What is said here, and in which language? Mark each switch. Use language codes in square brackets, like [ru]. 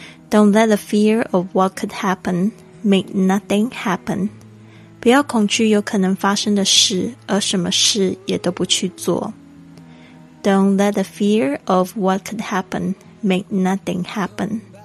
[en] Don't let the fear of what could happen make nothing happen. [zh] 不要恐惧有可能发生的事，而什么事也都不去做。 [en] Don't let the fear of what could happen make nothing happen.